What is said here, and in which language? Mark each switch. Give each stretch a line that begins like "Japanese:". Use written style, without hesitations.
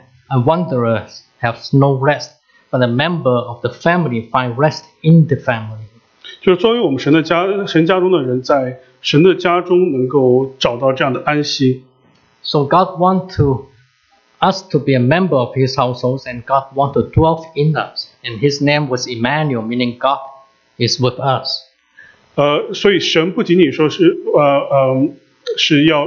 English: A wanderer has no rest, but a member of the family find rest in the family.
Chinese: 就是作为我们神家中的人，在神的家中能够找到这样的安息。
English: So God wants us to be a member of His household, and God wants to dwell in us. And His name was Emmanuel, meaning God is with us.
Chinese: 所以神不仅仅说是是要